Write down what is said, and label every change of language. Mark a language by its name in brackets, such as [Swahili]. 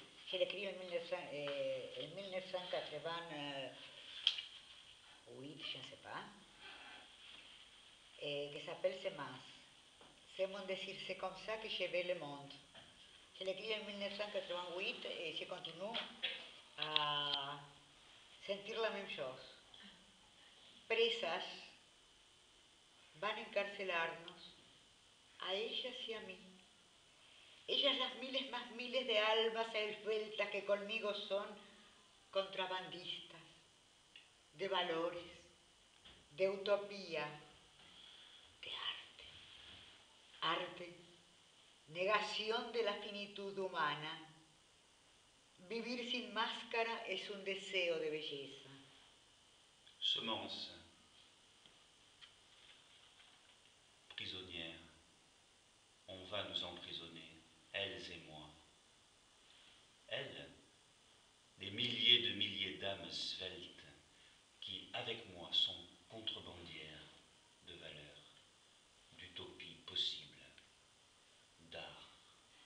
[French] Je l'ai écrit en 1988, je ne sais pas, qui s'appelle Semas. C'est mon désir, c'est comme ça que je vais le monde. Je l'ai écrit en 1988 et je continue à sentir la même chose. [Spanish] Presas van a encarcelarnos, a ellas y a mí. Ellas las miles más miles de almas esbeltas que conmigo son contrabandistas, de valores, de utopía, de arte. Arte, negación de la finitud humana. Vivir sin máscara es un deseo de belleza. [French] Semence. Prisonnières, on va nous emprisonner, elles et moi. Elles, des milliers de milliers d'âmes sveltes qui, avec moi, sont contrebandières de valeur, d'utopie possible, d'art.